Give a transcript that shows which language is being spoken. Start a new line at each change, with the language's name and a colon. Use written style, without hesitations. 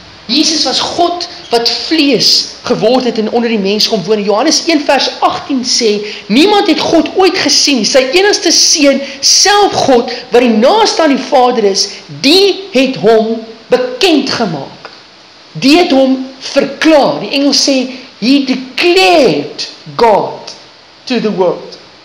Afrikaans: Jesus was God wat vlees geword het en onder die mens kom woon. Johannes 1 vers 18 sê, niemand het God ooit gesien, sy enigste seun, self God, wat die naaste aan die Vader is, die het hom bekend gemaak. Die het hom verklaar. Die Engels sê,
English: he declared God to the world.